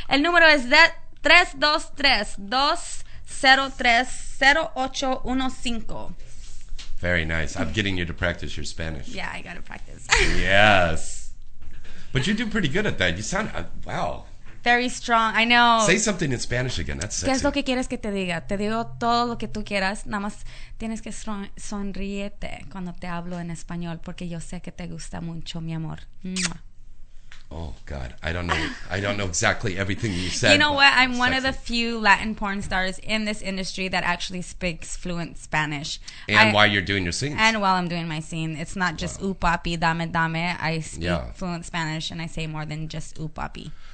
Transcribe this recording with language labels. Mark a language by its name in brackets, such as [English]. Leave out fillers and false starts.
[Spanish] El número es 323-203-0815. [English] Very nice. I'm getting you to practice your Spanish. Yeah, I got to practice. Yes. But you do pretty good at that. You sound, wow. Very strong. I know. Say something in Spanish again. That's sexy. [Spanish] ¿Qué es lo que quieres que te diga? Te digo todo lo que tú quieras. Nada más tienes que sonríete cuando te hablo en español porque yo sé que te gusta mucho, mi amor. Mua. [English] Oh, God. I don't know. I don't know exactly everything you said. You know what? I'm one of the few Latin porn stars in this industry that actually speaks fluent Spanish. And while you're doing your scenes. And while I'm doing my scene. It's not just upapi, [Spanish] dame, dame. [English] I speak fluent Spanish and I say more than just upapi.